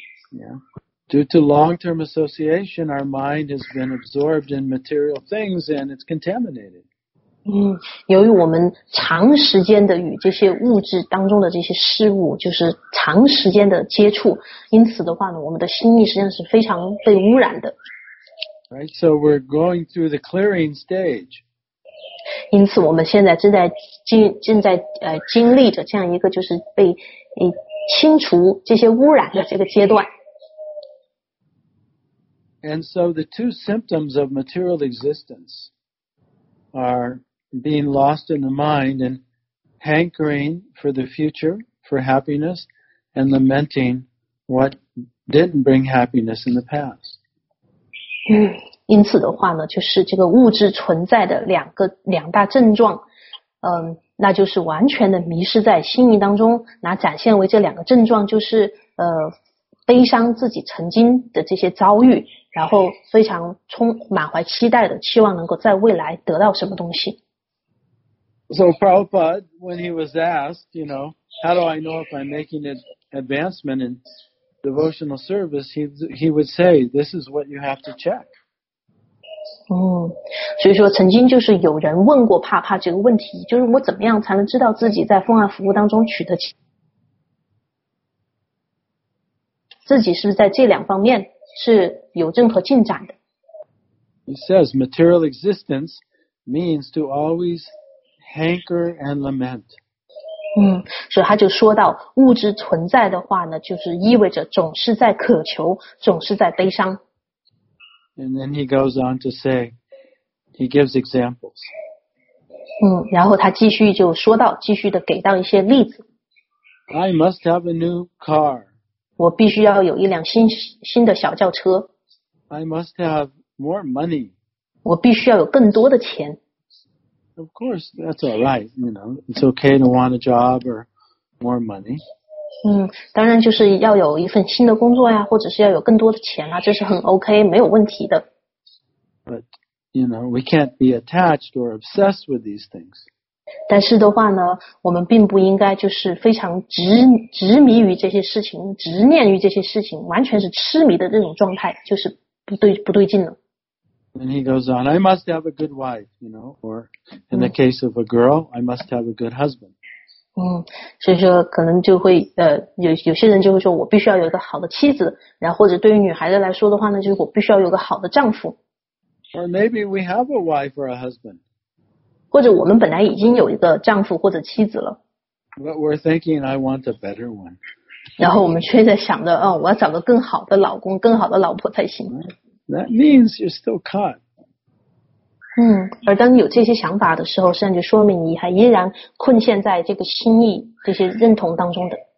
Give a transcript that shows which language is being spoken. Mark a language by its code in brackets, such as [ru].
[en] Yeah. Due to long-term association, our mind has been absorbed in material things and it's contaminated. [zh] 由于我们长时间的与这些物质当中的这些事物就是长时间的接触，因此的话呢，我们的心意实际上是非常被污染的。 [en] Right. So we're going through the clearing stage. [zh] 因此我们现在正在经历着这样一个就是被清除这些污染的这个阶段。 [en] And so the two symptoms of material existence are being lost in the mind and hankering for the future, for happiness, and lamenting what didn't bring happiness in the past. [zh] 因此的话呢，就是这个物质存在的两大症状，那就是完全的迷失在心灵当中。那展现为这两个症状就是悲伤自己曾经的这些遭遇，然后非常满怀期待的期望能够在未来得到什么东西。 [en] So Prabhupada, when he was asked, you know, how do I know if I'm making an advancement in devotional service, he would say, this is what you have to check. [zh] 所以说曾经就是有人问过帕帕这个问题，就是我怎么样才能知道自己在奉爱服务当中取得自己是不是在这两方面是有任何进展的。 [en] He says, material existence means to always hanker and lament. [zh] 所以他就说到物质存在的话呢，就是意味着总是在渴求，总是在悲伤。 [en] And then he goes on to say, he gives examples. [zh] 然后他继续就说到，继续的给到一些例子。 [en] I must have a new car. [zh] 我必须要有一辆新的小轿车。 [en] I must have more money. [zh] 我必须要有更多的钱。 [en] Of course, that's all right, you know. It's okay to want a job or more money. [zh] 当然就是要有一份新的工作呀，或者是要有更多的钱啊，这是很 OK, 没有问题的。 [en] But, you know, we can't be attached or obsessed with these things. [zh] 但是的话呢，我们并不应该就是非常执迷于这些事情，执念于这些事情，完全是痴迷的这种状态，就是不对劲了。 [en] And he goes on, I must have a good wife, you know, or in the case of a girl, I must have a good husband. [zh] 所以说可能就会有些人就会说我必须要有一个好的妻子，然后或者对于女孩子来说的话呢，就是我必须要有个好的丈夫。 [en] Or maybe we have a wife or a husband. [zh] 或者我们本来已经有一个丈夫或者妻子了。 [en] But we're thinking I want a better one. [zh] 然后我们却在想着我要找个更好的老公，更好的老婆才行。 [en] That means you're still caught. [zh] 而当你有这些想法的时候，实际上就说明你还依然困陷在这个心意、这些认同当中的。